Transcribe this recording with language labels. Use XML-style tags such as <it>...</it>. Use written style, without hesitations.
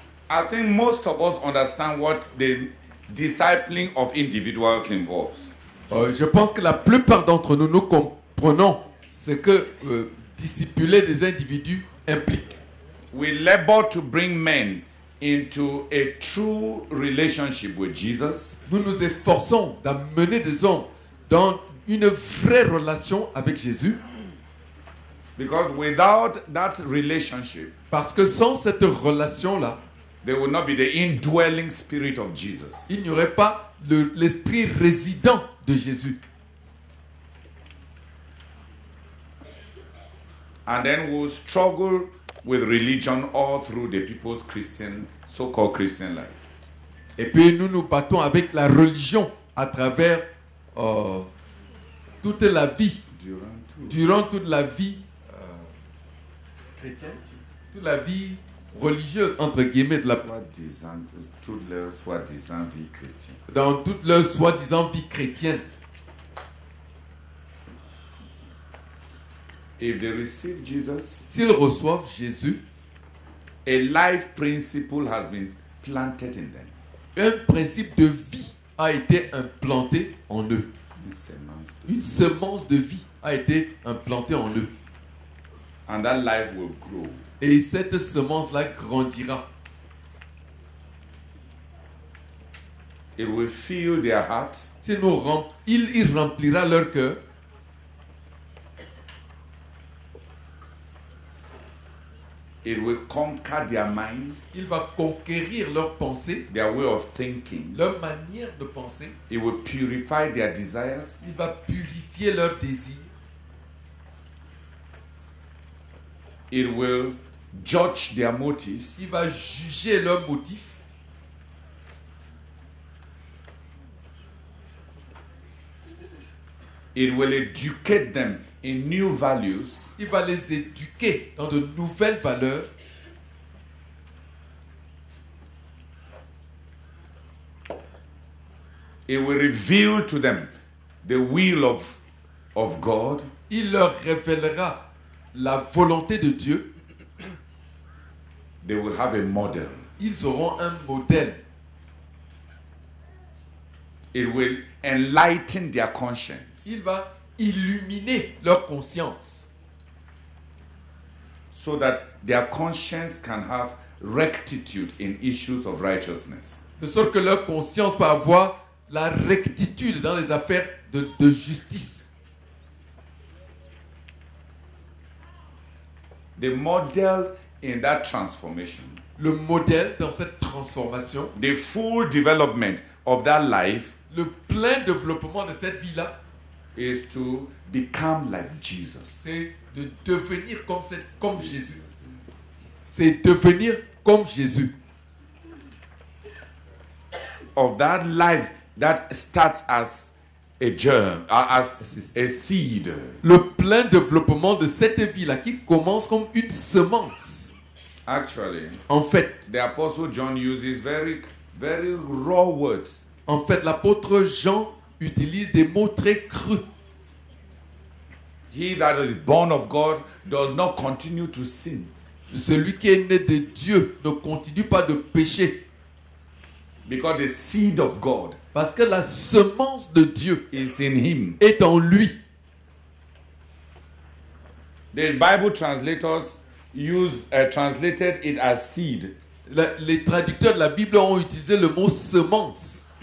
<en>I think most of us understand what the discipling of individuals involves.</en> <fr>Je pense que la plupart d'entre nous, nous comprenons ce que discipler des individus implique.</fr> <en>We labor to bring men into a true relationship with Jesus.</en> <fr>Nous nous efforçons d'amener des hommes dans une vraie relation avec Jésus.</fr> <en>Because without that relationship,</en> <fr>parce que sans cette relation-là,</fr> <en>there will not be the indwelling spirit of Jesus.</en> <fr>Il n'y aurait pas l'esprit résident de Jésus.</fr> <en>And then we'll struggle with religion all through the people's Christian, so-called Christian life.</en> <fr>Et puis nous nous battons avec la religion à travers toute la vie. Durant toute la vie chrétienne. Toute la vie religieuse, entre guillemets, de la toute leur soi-disant vie chrétienne. Dans toute leur soi-disant vie chrétienne.</fr> <en>If they receive Jesus,</en> <fr>s'ils reçoivent Jésus,</fr> <en>a life principle has been planted in them.</en> <fr>Un principe de vie a été implanté en eux. Une semence de vie a été implantée en eux.</fr> <en>And that life will grow.</en> <fr>Et cette semence-là grandira.</fr> <en>It will fill their heart.</en> <fr>Il remplira leur cœur.</fr> <en>It will conquer their mind.</en> <fr>Il va conquérir leur pensée.</fr> <en>Their way of thinking.</en> <fr>Leur manière de penser.</fr> <en>It will purify their desires.</en> <fr>Il va purifier leurs désirs.</fr> <en>It will judge their motives.</en> <fr>Il va juger leurs motifs.</fr> <en>It will educate them in new values.</en> <fr>Il va les éduquer dans de nouvelles valeurs.</fr> <en>It will reveal to them the will of God.</en> <fr>Il leur révélera la volonté de Dieu.</fr> <en>They will have a model.</en> <fr>Ils auront un modèle.</fr> <en>It will enlighten their conscience.</en> <fr>Il va illuminer leur conscience.</fr> <en>So that their conscience can have rectitude in issues of righteousness.</en> <fr>De sorte que leur conscience peut avoir la rectitude dans les affaires de justice.</fr> <en>The model in that transformation.</en> <fr>le modèle dans cette transformation.</fr> <en>The full development of that life.</en> <fr>Le plein développement de cette vie-là.</fr> <en>Is to become like Jesus.</en> <fr>C'est de devenir comme cette, comme Jésus. C'est devenir comme Jésus.</fr> <en>Of that life that starts as a germ, as a seed.</en> <fr>Le plein développement de cette vie-là qui commence comme une semence.</fr> <en>Actually,</en> <fr>en fait,</fr> <en>the apostle John uses very, very raw words.</en> <fr>En fait, l'apôtre Jean utilise des mots très crus.</fr> <en>He that is born of God does not continue to sin.</en> <fr>Celui qui est né de Dieu ne continue pas de pécher.</fr> <en>Because the seed of God,</en> <fr>parce que la semence de Dieu</fr> <en>is in him,</en> <fr>est en lui.</fr> <en>The Bible translators translated it as seed.</en> <fr>Les traducteurs de la Bible ont utilisé le mot semence.</fr>